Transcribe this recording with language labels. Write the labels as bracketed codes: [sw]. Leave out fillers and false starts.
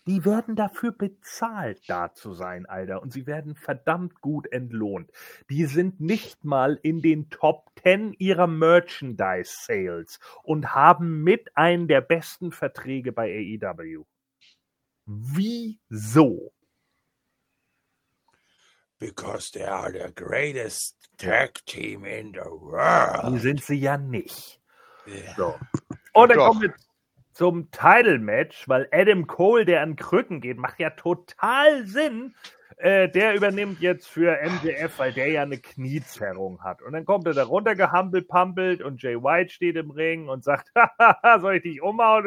[de] Die werden dafür bezahlt, da zu sein, Alter. Und sie werden verdammt gut entlohnt. Die sind nicht mal in den Top 10 ihrer Merchandise-Sales und haben mit einem der besten Verträge bei AEW. Wieso? [en] Because they are the greatest tag team in the world. [de] Die sind sie ja nicht. [en] Yeah. [de] So. Und dann kommen wir zum Title Match, weil Adam Cole, der an Krücken geht, macht ja total Sinn. Der übernimmt jetzt für MJF, weil der ja eine Kniezerrung hat. Und dann kommt er da runter gehampelpampelt und Jay White steht im Ring und sagt, soll ich dich umhauen?